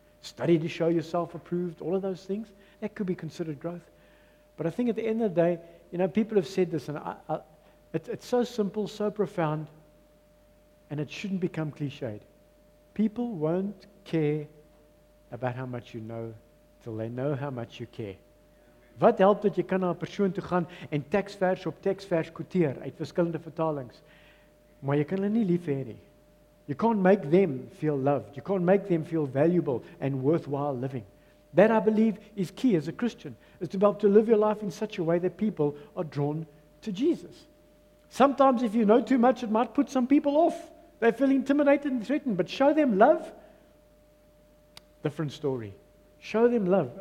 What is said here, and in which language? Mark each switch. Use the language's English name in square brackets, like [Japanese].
[English] Study to show yourself approved, all of those things. That could be considered growth. But I think at the end of the day, you know, people have said this, and it's so simple, so profound, and it shouldn't become cliched. People won't care about how much you know till they know how much you care. [Afrikaans] Wat help dat jy kan na 'n persoon toe gaan en teksvers op teksvers quoteer uit verskillende vertalings, maar jy kan hulle nie lief hê nie. [English] You can't make them feel loved. You can't make them feel valuable and worthwhile living. That, I believe, is key as a Christian, is to live your life in such a way that people are drawn to Jesus. Sometimes if you know too much, it might put some people off. They feel intimidated and threatened, but show them love. Different story. Show them love.